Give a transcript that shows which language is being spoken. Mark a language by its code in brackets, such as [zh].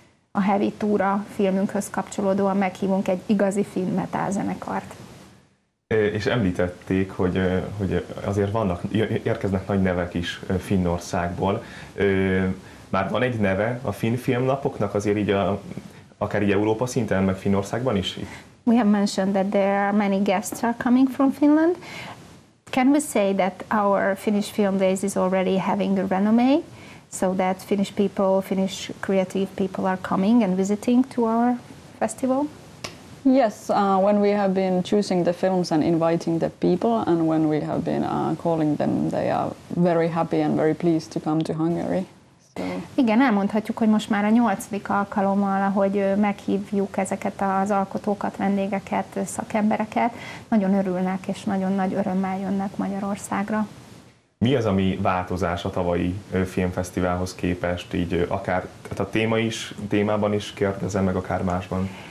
[hu] A Heavy Túra filmünkhöz kapcsolódóan meghívunk egy igazi finn metal zenekart. És említették, hogy azért vannak, érkeznek nagy nevek is Finnországból. Már van egy neve a finn filmnapoknak, azért így akár így Európa szinten, meg Finnországban is? [en] We have mentioned that there are many guests are coming from Finland. Can we say that our Finnish Film Days is already having a renommé, so that Finnish people, Finnish creative people are coming and visiting to our festival? Yes, when we have been choosing the films and inviting the people, and when we have been calling them, they are very happy and very pleased to come to Hungary. So. [hu] Igen, elmondhatjuk, hogy most már a 8. alkalommal, ahogy meghívjuk ezeket az alkotókat, vendégeket, szakembereket, nagyon örülnek és nagyon nagy örömmel jönnek Magyarországra. Mi az, ami változás a tavalyi filmfesztiválhoz képest, így akár tehát a téma is, témában is kérdezem, meg akár másban?